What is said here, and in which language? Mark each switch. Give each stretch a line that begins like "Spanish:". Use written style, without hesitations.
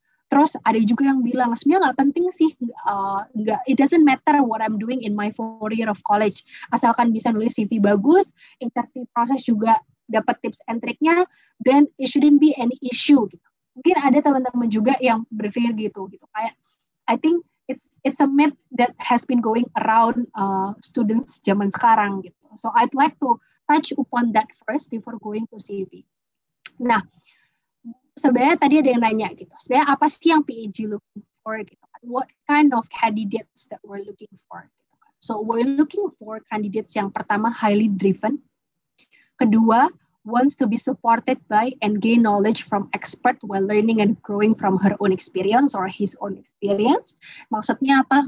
Indonesian: Terus ada juga yang bilang sebenarnya enggak penting sih
English: it doesn't matter what I'm doing in my 4 year of college.
Indonesian: Asalkan bisa nulis CV bagus,
English: interview process
Indonesian: juga dapat
English: tips and trick-nya, then it shouldn't be any issue.
Indonesian: Gitu. Mungkin ada teman-teman juga yang berpikir gitu, gitu. Kayak,
English: I think it's a myth that has been going around students
Indonesian: zaman sekarang, gitu.
English: So I'd like to touch upon that first before going to CV.
Indonesian: Nah, sebenarnya tadi ada yang nanya gitu. Sebenarnya apa sih yang PAG
English: looking for?
Indonesian: Gitu?
English: What kind of candidates that we're looking for?
Indonesian: Gitu?
English: So we're looking for candidates
Indonesian: yang pertama
English: highly driven.
Indonesian: Kedua,
English: wants to be supported by and gain knowledge from expert while learning and growing from her own experience or his own experience.
Indonesian: Maksudnya apa?